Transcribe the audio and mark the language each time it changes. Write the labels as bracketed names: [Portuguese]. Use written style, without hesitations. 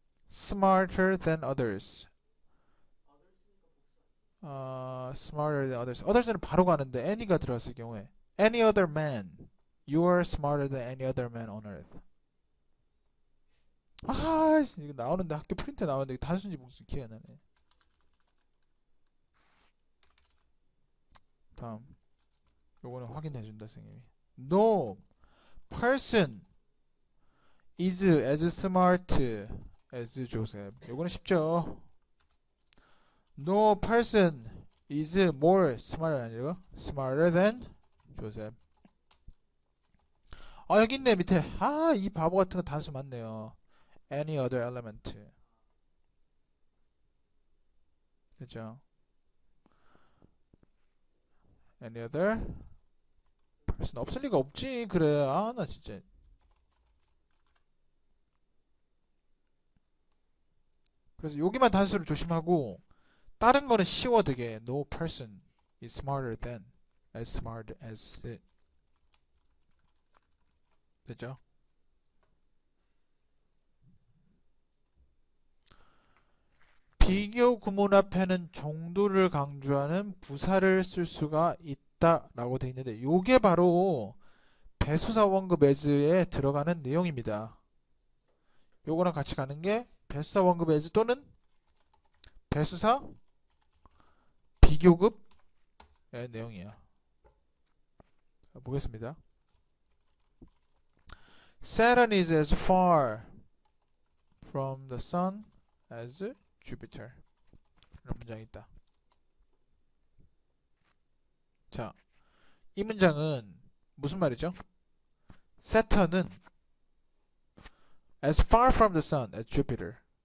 [English] Smarter than others. Smarter than others. Others는 [Korean] 바로 가는데 [English] any가 [Korean] 들어왔을 경우에 [English] any other man. You are smarter than any other man on earth. [Korean] 이거 나오는데 학교 프린트 나오는데 단순지 복수 기억 안 나네. 다음. 요거는 확인해 준다 선생님이. [English] No person is as smart as Joseph. [Korean] 요거는 쉽죠. [English] No person Is more smarter [Korean] 아니고 [English] smarter than Joseph. [Korean] 아 여기 있네 밑에. 아이 바보 같은 거 단수 맞네요. [English] Any other element. [Korean] 그렇죠. [English] Any other person [Korean] 없을 리가 없지. 그래 아나 진짜. 그래서 여기만 단수를 조심하고. 다른 거는 쉬워 되게. [English] No person is smarter than as smart as it. [Korean] 됐죠? 비교 구문 앞에는 정도를 강조하는 부사를 쓸 수가 있다라고 돼 있는데 요게 바로 배수사 원급 as에 들어가는 내용입니다. 요거랑 같이 가는 게 배수사 원급 as 또는 배수사 비교급의 내용이야. 보겠습니다. [English] Saturn is as far from the sun as Jupiter. [Korean] 이런 문장이 있다. 자, 이 문장은 무슨 말이죠? [English] Saturn은 as far from the sun as Jupiter.